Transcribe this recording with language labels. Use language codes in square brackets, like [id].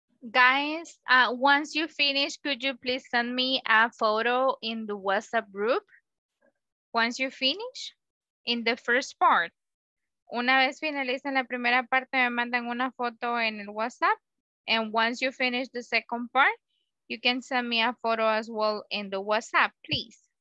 [en] guys, once you finish, could you please send me a photo in the WhatsApp group? Once you finish, in the first part. [es] Una vez finalizan la primera parte, me mandan una foto en el WhatsApp. [en] And once you finish the second part, you can send me a photo as well in the WhatsApp, please.